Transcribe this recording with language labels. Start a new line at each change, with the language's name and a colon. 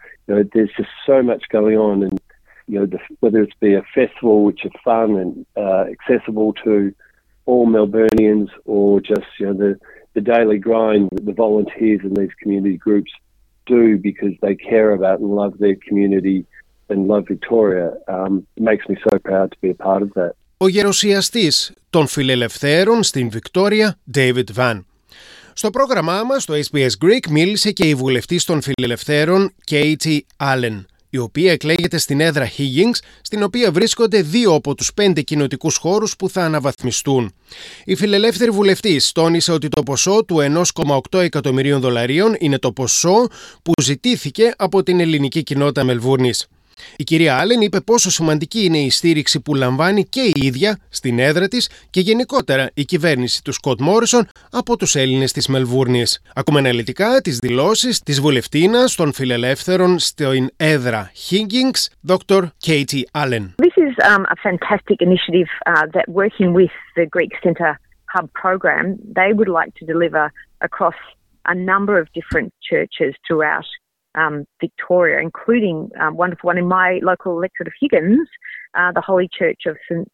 English: You know, there's just so much going on, and you know, whether it's be a festival which is fun and accessible to all Melburnians, or just you know the daily grind that the volunteers in these community groups do because they care about and love their community and love Victoria, makes me so proud to be a part of that.
Greek: Ο γερουσιαστής των φιλελευθέρων στην Βικτόρια, David Van. Στο πρόγραμμά μας, το SBS Greek, μίλησε και η βουλευτής των φιλελευθέρων, Katie Allen, η οποία εκλέγεται στην έδρα Higgins, στην οποία βρίσκονται δύο από τους πέντε κοινοτικούς χώρους που θα αναβαθμιστούν. Η φιλελεύθερη βουλευτής τόνισε ότι το ποσό του 1,8 εκατομμυρίων δολαρίων είναι το ποσό που ζητήθηκε από την ελληνική κοινότητα Μελβούρνης. Η κυρία Άλεν είπε πόσο σημαντική είναι η στήριξη που λαμβάνει και η ίδια στην έδρα της και γενικότερα η κυβέρνηση του Σκοτ Μόρισον από τους Έλληνες της Μελβούρνης. Ακούμε αναλυτικά τις δηλώσεις της βουλευτίνας των φιλελεύθερων στην έδρα Higgins, Dr. Katie Allen.
English: This is a fantastic initiative that working with the Greek Centre Hub program, they would like to deliver across a number of different churches throughout Victoria, including wonderful one in my local electorate of Higgins, the Holy Church of St.